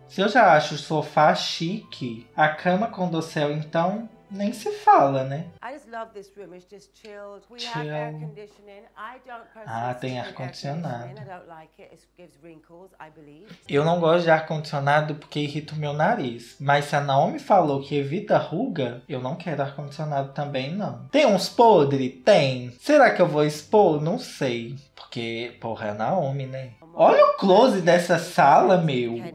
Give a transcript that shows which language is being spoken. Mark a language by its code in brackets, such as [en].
[pt] Se eu já acho o sofá chique, a cama com dossel, então, nem se fala, né? [en] I just love this room. It's just chilled. We have air conditioning. I don't personally. [pt] Ah, tem ar condicionado. [en] I don't like it. It gives wrinkles, I believe. [pt] Eu não gosto de ar condicionado porque irrita o meu nariz. Mas se a Naomi falou que evita ruga, eu não quero ar condicionado também, não. Tem uns podre? Tem. Será que eu vou expor? Não sei. Porque, porra, é a Naomi, né? Olha o close dessa sala, meu.